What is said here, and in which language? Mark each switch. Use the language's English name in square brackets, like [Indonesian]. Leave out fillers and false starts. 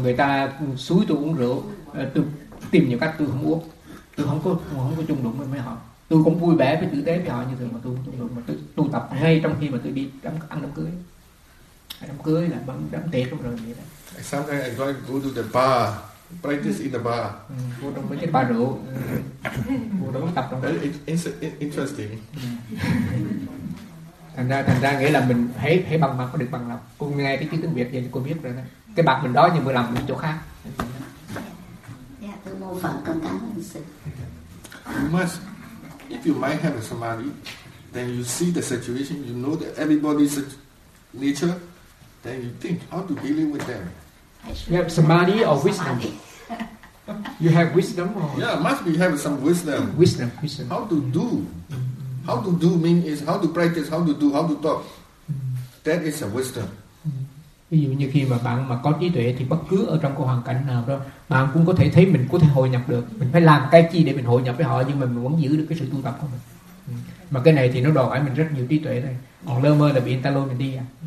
[Vietnamese] người ta suối tôi uống rượu, tôi tìm nhiều cách tôi không uống, tôi không có chung đụng với mấy họ. Tôi cũng vui vẻ với tử tế với họ như thường mà tôi không chung đụng, mà tôi tu tập ngay trong khi mà tôi đi ăn đám cưới. Đám cưới là đám tiệc rồi vậy đó. [English] Sometimes I go to the bar, practice in the bar. [Vietnamese] Vô trong mấy cái bar rượu. Vô đó tập trong. [English] It's interesting. [Vietnamese] thành ra nghĩa là mình hãy bằng mặt có được bằng lòng. Cô nghe cái chữ tiếng Việt vậy thì cô biết rồi đó. Cái bạc mình đó nhưng mà làm chỗ khác. Dạ, tôi mô phỏng con cảm ơn sư. [English] You must, if you might have a samadhi, then you see the situation, you know that everybody's nature. Then you think how to deal with them. You have samadhi or wisdom? You have wisdom or? Yeah, must be have some wisdom. Wisdom. How to do? How to do mean is how to practice, how to do, how to talk. That is a wisdom. [Vietnamese] Ví dụ như khi mà bạn mà có trí tuệ thì bất cứ ở trong cái hoàn cảnh nào đó, bạn cũng có thể thấy mình có thể hội nhập được. Mình phải làm cái chi để mình hội nhập với họ, nhưng mà mình vẫn giữ được cái sự tu tập của mình. Mà cái này thì nó đòi hỏi mình rất nhiều trí tuệ đây. Còn lơ mơ là bị người ta lôi mình đi à?